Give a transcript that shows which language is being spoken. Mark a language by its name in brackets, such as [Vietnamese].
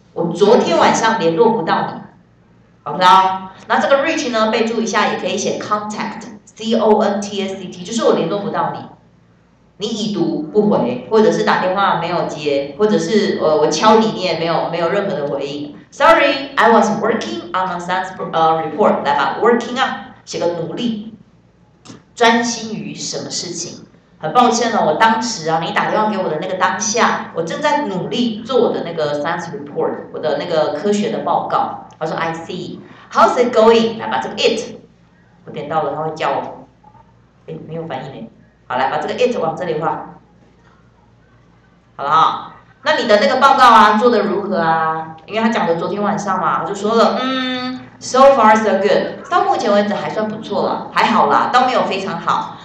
[Chinese] 我昨天晚上联络不到你，好不啦？那这个 reach 呢，备注一下，也可以写 contact。C-O-N-T-S-E-T 就是我联络不到你，你已读不回，或者是打电话没有接，或者是我敲你你也没有任何的回应。 [English] Sorry I was working on a science report。 [Chinese] 来吧， working on 写个努力，专心于什么事情。很抱歉了，我当时啊，你打电话给我的那个当下，我正在努力做我的那个 science report， 我的那个科学的报告。我说 [English] I see， How's it going？ [Chinese] 来吧，这个 it我点到了，他会叫我。哎，没有反应哎。好，来把这个 it 往这里画，好了哈。那你的那个报告啊，做得如何啊？因为他讲的昨天晚上嘛，我就说了， [English] so far so good， [Chinese] 到目前为止还算不错了，还好啦，倒没有非常好。